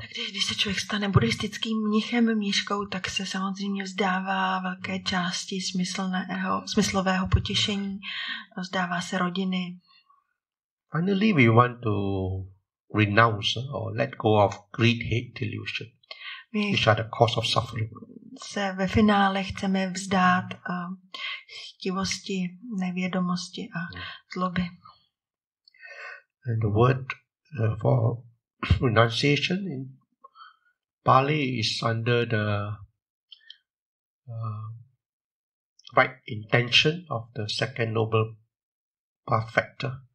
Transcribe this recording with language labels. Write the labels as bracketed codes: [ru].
[cs] Když se člověk stane buddhistickým mnichem, mniškou, tak se samozřejmě vzdává velké části smyslového potěšení, vzdává se rodiny. [en] Finally, we want to renounce or let go of greed, hate, delusion. which are the cause of suffering. [cs] Se ve finále chceme vzdát chtivosti, nevědomosti a zloby. [en] And the word for renunciation in Pali is under the right intention of the second noble path factor.